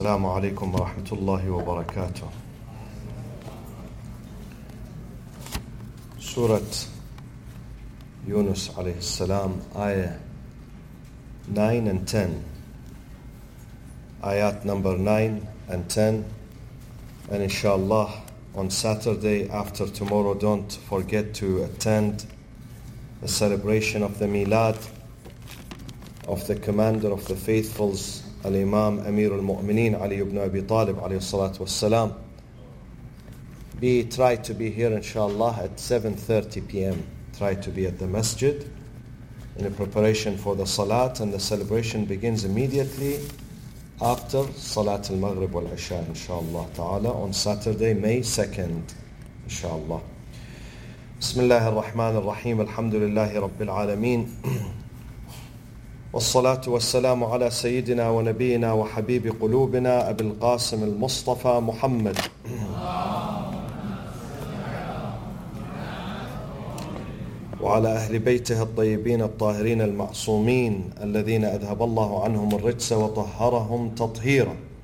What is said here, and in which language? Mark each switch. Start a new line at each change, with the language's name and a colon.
Arabic: السلام عليكم ورحمة الله وبركاته. سورة يونس عليه السلام آية 9
English: and 10
Arabic: آيات
English: number 9 and 10 and
Arabic: إن شاء الله
English: on Saturday after tomorrow don't forget to attend the celebration of the Milad of the commander of the faithfuls
Arabic: الإمام أمير المؤمنين علي بن أبي طالب عليه الصلاة والسلام.
English: We try to be here inshallah at 7:30 p.m. Try to be at the masjid in preparation for the salat, and the celebration begins immediately after salat al-maghrib wal-isha inshallah ta'ala on Saturday May 2nd inshallah.
Arabic: بسم الله الرحمن الرحيم الحمد لله رب العالمين والصلاة والسلام على سيدنا ونبينا وحبيب قلوبنا أبي القاسم المصطفى محمد وعلى أهل بيته الطيبين الطاهرين المعصومين الذين أذهب الله عنهم الرجس وطهرهم تطهيرا.